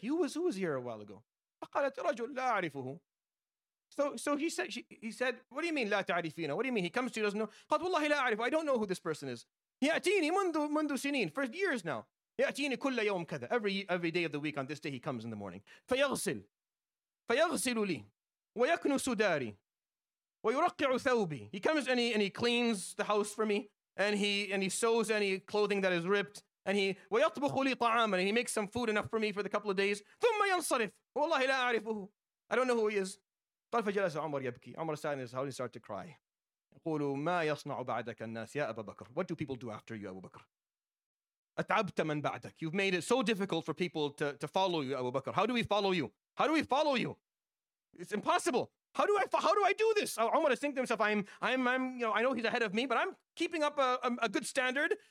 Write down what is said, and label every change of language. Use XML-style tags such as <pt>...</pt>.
<en>Who was here a while ago?</en> <ar>فقالت رجل لا أعرفه.</ar> <en>So he said, what do you mean,</en> <ar>لا تعرفين?</ar> <en>What do you mean? He comes to you, doesn't know.</en> <ar>قالت والله لا أعرف.</ar> <en>I don't know who this person is.</en> <ar>يأتيني منذ سنين.</ar> <en>For years now.</en> <ar>يأتيني كل يوم كذا.</ar> <en>Every day of the week on this day, he comes in the morning.</en> <ar>فيغسل لي ويكنس داري ويرقع ثوبي.</ar> <en>He comes and he cleans the house for me. And he sews any clothing that is ripped. And he</en> <ar>ويطبخ لي طعاما.</ar> <en>And he makes some food enough for me for the couple of days.</en> <ar>ثم ينصرف. والله لا أعرفه.</ar> <en>I don't know who he is.</en> <ar>قال فجلس عمر يبكي.</ar> <en>عمر sat in his house and started to cry.</en> <ar>يقول ما يصنع بعدك الناس يا أبا بكر.</ar> <en>What do people do after you, Abu Bakr?</en> <ar>أتعبت من بعدك.</ar> <en>You've made it so difficult for people to follow you, Abu Bakr. How do we follow you? How do we follow you? It's impossible. How do I do this? Umar is thinking to himself, I'm you know, I know he's ahead of me, but I'm keeping up a good standard.</en>